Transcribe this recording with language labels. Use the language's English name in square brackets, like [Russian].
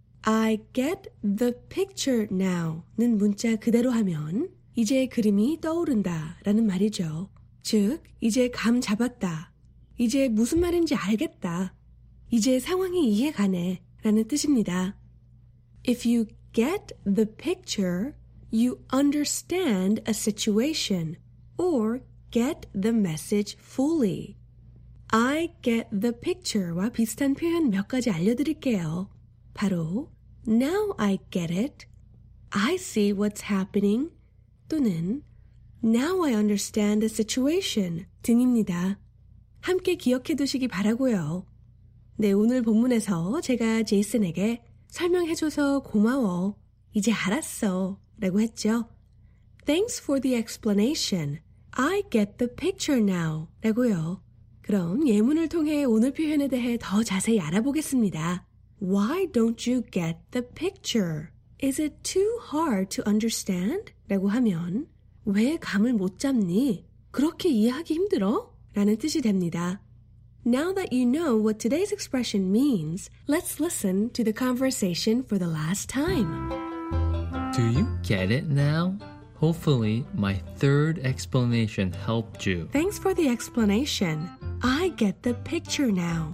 [English] I get the picture now [Korean] 는 문자 그대로 하면 이제 그림이 떠오른다 라는 말이죠. 즉, 이제 감 잡았다. 이제 무슨 말인지 알겠다. 이제 상황이 이해가네 라는 뜻입니다. [English] If you get the picture, you understand a situation or get the message fully. I get the picture [Korean] 와 비슷한 표현 몇 가지 알려드릴게요. [English] 바로 Now I get it. I see what's happening. 또는 Now I understand the situation 등입니다. [Korean] 함께 기억해 두시기 바라고요. 네, 오늘 본문에서 제가 제이슨에게 설명해줘서 고마워. 이제 알았어. 라고 했죠. [English] Thanks for the explanation. I get the picture now. [Korean] 라고요. 그럼 예문을 통해 오늘 표현에 대해 더 자세히 알아보겠습니다. [English] Why don't you get the picture? Is it too hard to understand? [Korean] 라고 하면 왜 감을 못 잡니? 그렇게 이해하기 힘들어? 라는 뜻이 됩니다. [English] Now that you know what today's expression means, let's listen to the conversation for the last time. Do you get it now? Hopefully, my third explanation helped you. Thanks for the explanation. I get the picture now.